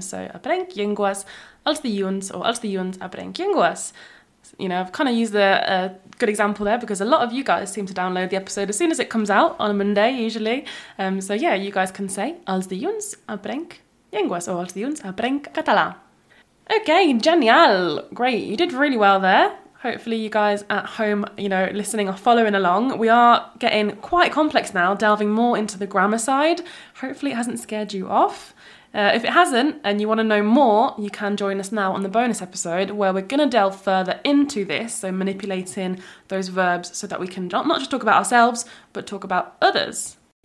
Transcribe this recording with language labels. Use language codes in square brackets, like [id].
[en] So [ca] aprenc llengües, els diuns, or els diuns aprenc llengües. [en] You know, I've kind of used a good example there because a lot of you guys seem to download the episode as soon as it comes out on a Monday, usually. So yeah, you guys can say, [ca] els dilluns aprenc llengües, [en] or [ca] els dilluns aprenc català. [en] Okay, genial. Great. You did really well there. Hopefully you guys at home, you know, listening or following along. We are getting quite complex now, delving more into the grammar side. Hopefully it hasn't scared you off. If it hasn't and you want to know more, you can join us now on the bonus episode where we're going to delve further into this, so manipulating those verbs so that we can not just talk about ourselves, but talk about others.